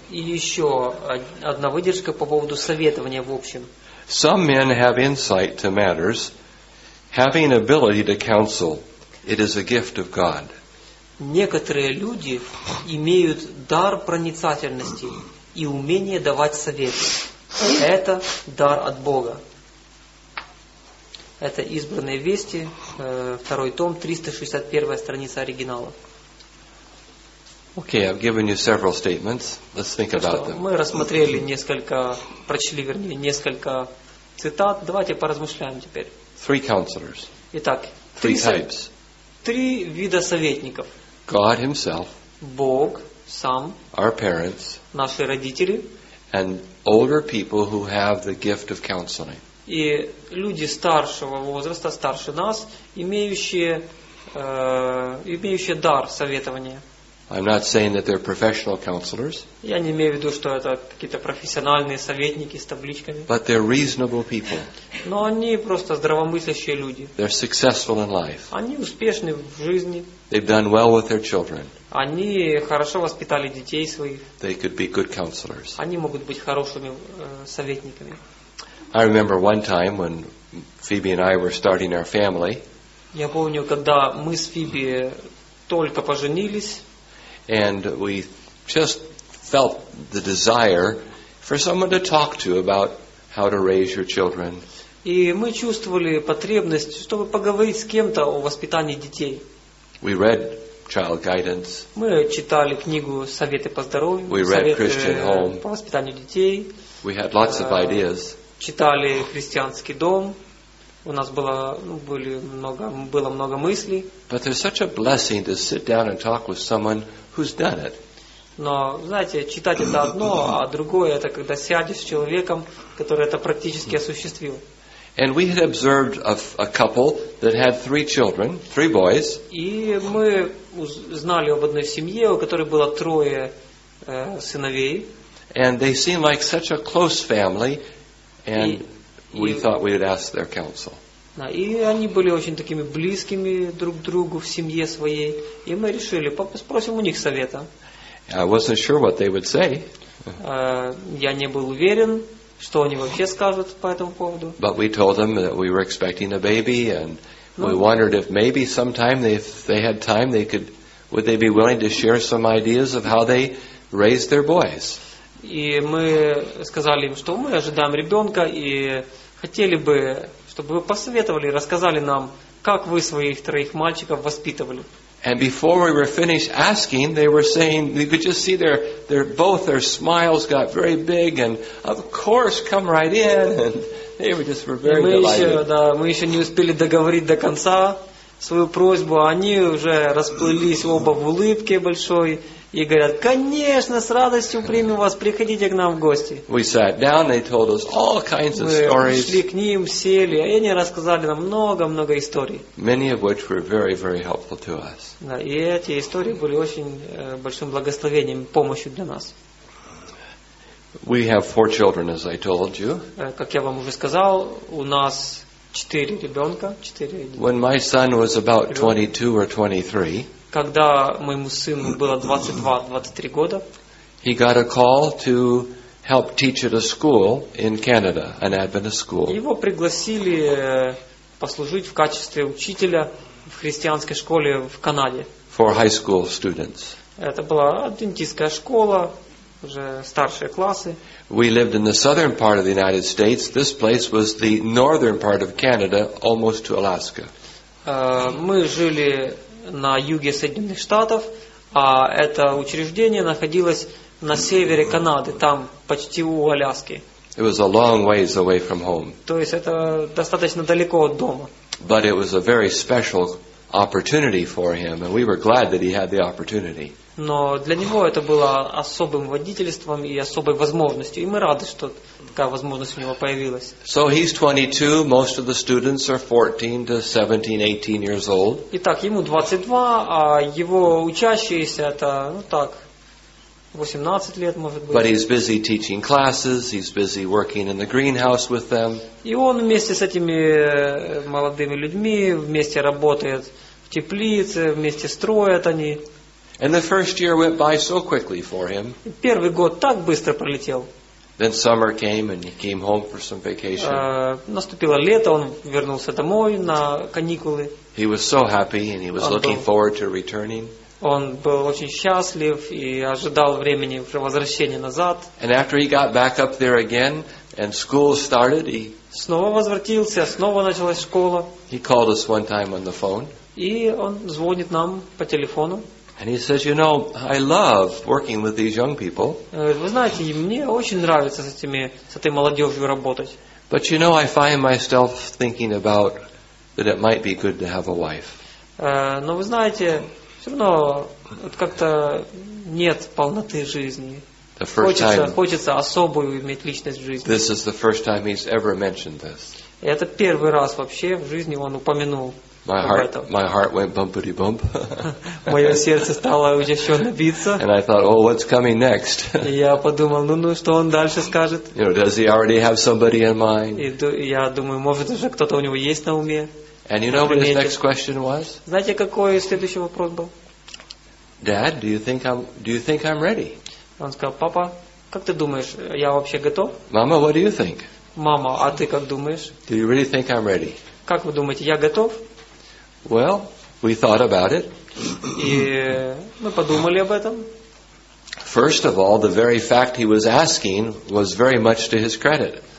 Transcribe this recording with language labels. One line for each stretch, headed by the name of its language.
Russian: И еще одна выдержка по поводу советования в общем.
English: Some men have insight to matters, having ability to counsel. It is a gift of God.
Russian: Некоторые люди имеют дар проницательности и умение давать советы. Это дар от Бога. Это «Избранные вести», второй том, 361 страница оригинала.
English: Okay, I've given you several statements. Let's think about them.
Russian: Мы рассмотрели несколько, прочли, вернее, несколько цитат. Давайте поразмышляем теперь.
English: Three counselors.
Russian: Итак,
English: three types.
Russian: Три вида советников.
English: God himself.
Russian: Бог сам.
English: Our parents.
Russian: Наши родители.
English: And older people who have the gift of counseling.
Russian: И люди старшего возраста, старше нас, имеющие, имеющие дар советования.
English: I'm not saying that they're professional counselors.
Russian: Я не имею в виду, что это какие-то профессиональные советники с табличками.
English: But they're reasonable people.
Russian: Но они просто здравомыслящие люди.
English: They're successful in life.
Russian: Они успешны в жизни.
English: They've done well with their children.
Russian: Они хорошо воспитали детей своих.
English: They could be good counselors.
Russian: Они могут быть хорошими советниками.
English: I remember one time when Phoebe and I were starting our family.
Russian: Я помню, когда мы с Фиби только поженились.
English: And we just felt the desire for someone to talk to about how to raise your children.
Russian: И мы чувствовали потребность, чтобы поговорить с кем-то о воспитании детей.
English: We read child guidance.
Russian: Мы читали книгу «Советы по здоровью».
English: We read Christian Home.
Russian: По воспитанию детей.
English: We had lots of ideas.
Russian: Читали «Христианский дом», у нас было, ну, было много мыслей.
English: But there's such a blessing to sit down and talk with someone who's done it.
Russian: Но, знаете, читать это одно, а другое это когда сядешь с человеком, который это практически осуществил.
English: And we had observed a couple that had three children, three boys.
Russian: И мы знали об одной семье, у которой было трое сыновей.
English: And they seemed like such a close family. And we thought we would ask their counsel.
Russian: И они были очень такими близкими друг к другу в семье своей. И мы решили, спросим у них совета.
English: I wasn't sure what they would say.
Russian: Я не был уверен, что они вообще скажут по этому поводу.
English: But we told them that we were expecting a baby, and we wondered if maybe sometime if they had time, they could, would they be willing to share some ideas of how they raised their boys?
Russian: И мы сказали им, что мы ожидаем ребенка, и хотели бы, чтобы вы посоветовали, рассказали нам, как вы своих троих мальчиков воспитывали.
English: And before we were finished asking, they were saying, you could just see their smiles got very big, and of course, come right in. And they were just were very delighted.
Russian: Мы еще не успели договорить до конца свою просьбу, а они уже расплылись оба в улыбке большой. И говорят, конечно, с радостью примем вас, приходите к нам в гости.
English: We sat down, they told us all kinds of stories.
Russian: Мы пришли к ним, сели, и они рассказали нам много-много историй.
English: Many of which were very, very helpful to us.
Russian: Да, и эти истории были очень большим благословением, помощью для нас.
English: We have four children, as I told you.
Russian: Как я вам уже сказал, у нас четыре ребенка, четыре.
English: When my son was about 22 or 23,
Russian: когда моему сыну было 22-23 года,
English: he got a call to help teach at a school in Canada, an Adventist school.
Russian: Его пригласили послужить в качестве учителя в христианской школе в Канаде.
English: For high school students.
Russian: Это была адвентистская школа, уже старшие классы.
English: We lived in the southern part of the United States. This place was the northern part of Canada, almost to Alaska.
Russian: Мы жили на юге Соединенных Штатов, а это учреждение находилось на севере Канады, там почти у Аляски.
English: It was a long ways away from home.
Russian: То есть это достаточно далеко от дома.
English: But it was a very special opportunity for him, and we were glad that he had the opportunity.
Russian: Но для него это было особым водительством и особой возможностью, и мы рады, что такая возможность у него появилась.
English: So he's 22. Most of the students are 14 to 17, 18 years old.
Russian: Итак, ему 22, а его учащиеся это, ну так, 18 лет, может быть.
English: But he's busy teaching classes. He's busy working in the greenhouse with them.
Russian: И он вместе с этими молодыми людьми вместе работает в теплице, вместе строят они.
English: And the first year went by so quickly for him.
Russian: Первый год так быстро пролетел.
English: Then summer came and he came home for some vacation.
Russian: Наступило лето, он вернулся домой на каникулы.
English: He was so happy and he was looking forward to returning.
Russian: Он был очень счастлив и ожидал времени возвращения назад.
English: And after he got back up there again and school started, he
Russian: снова возвратился, снова началась школа.
English: He called us one time on the phone.
Russian: И он звонит нам по телефону.
English: And he says, you know, I love working with these young people.
Russian: Вы знаете, мне очень нравится с этими, с этой молодежью работать.
English: But you know, I find myself thinking about that it might be good to have a wife.
Russian: Но вы знаете, все равно вот как-то нет полноты жизни.
English: The first
Russian: хочется особую иметь личность в жизни.
English: This is the first time he's ever mentioned this.
Russian: Это первый раз вообще в жизни он упомянул.
English: My heart went bumpity bump.
Russian: Моё сердце стало учащённо биться.
English: And I thought, oh, what's coming next?
Russian: Я подумал, ну, что он дальше скажет?
English: You know, does he already have somebody in mind?
Russian: И я думаю, может уже кто-то у него есть на уме.
English: And you know what his next question was?
Russian: Знаете, какой следующий вопрос был?
English: Dad, do you think I'm ready?
Russian: Он сказал, папа, как ты думаешь, я вообще готов?
English: Mama, what do you think?
Russian: Мама, а ты как думаешь?
English: Do you really think I'm ready?
Russian: Как вы думаете, я готов?
English: Well, we thought about it.
Russian: И мы подумали об этом.
English: First of all, the very fact he was asking was very much to his credit.